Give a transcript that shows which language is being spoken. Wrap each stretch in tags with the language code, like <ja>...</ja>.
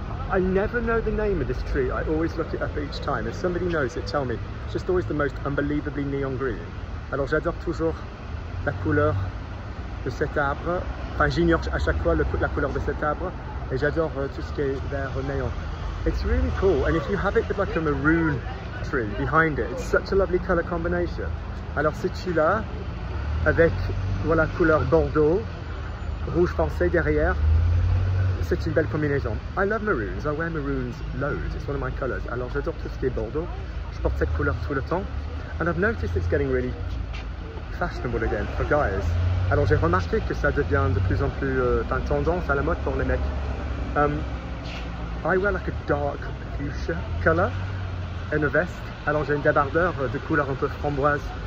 <en>I never know the name of this tree, I always look it up each time. If somebody knows it, tell me. It's just always the most unbelievably neon green.</en> <fr>Alors j'adore toujours la couleur de cet arbre, enfin j'ignore à chaque fois la couleur de cet arbre. Et j'adore tout ce qui est vert néon.</fr> <en>It's really cool, and if you have it with like a maroon tree behind it, it's such a lovely color combination.</en> <fr>Alors si tu l'as avec voilà couleur bordeaux, rouge foncé derrière, c'est une belle combinaison.</fr> <en>I love maroons, I wear maroons loads, it's one of my colors.</en> <fr>Alors j'adore tout ce qui est bordeaux, je porte cette couleur tout le temps.</fr> <en>And I've noticed it's getting really fashionable again for guys.</en> <fr>Alors j'ai remarqué que ça devient de plus en plus une tendance à la mode pour les mecs.</fr> <en>I wear like a dark fuchsia color and a vest.</en> <fr>Alors j'ai une débardeur de couleur un peu framboise.</fr>